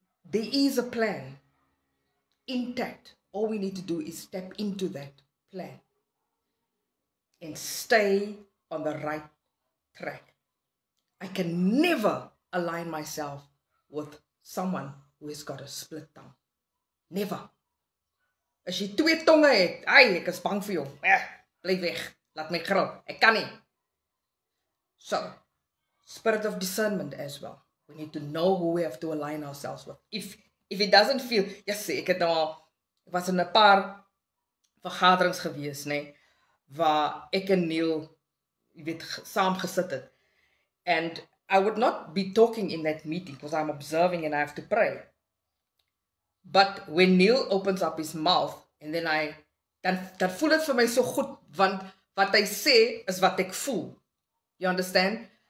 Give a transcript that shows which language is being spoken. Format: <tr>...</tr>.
<en>There is a plan. Intact. All we need to do is step into that plan. And stay on the right track. I can never align myself with someone who has got a split tongue. Never.</en> <af>As jy twee tonge het, ai, ek is bang vir jou. Bly weg. Laat my grill. Ek kan nie. So, spirit of discernment as well.</af> <en>We need to know who we have to align ourselves with. If it doesn't feel, yes,</en> <af>ek het nou al, ek was in 'n paar vergaderings gewees, nee, waar ek en Neil, jy weet, saam gesit het.</af> <en>And I would not be talking in that meeting, because I'm observing and I have to pray. But when Neil opens up his mouth, and then I,</en> <af>dan voel het vir my so goed, want wat hy sê, is wat ek voel.</af> <en>You understand?</en>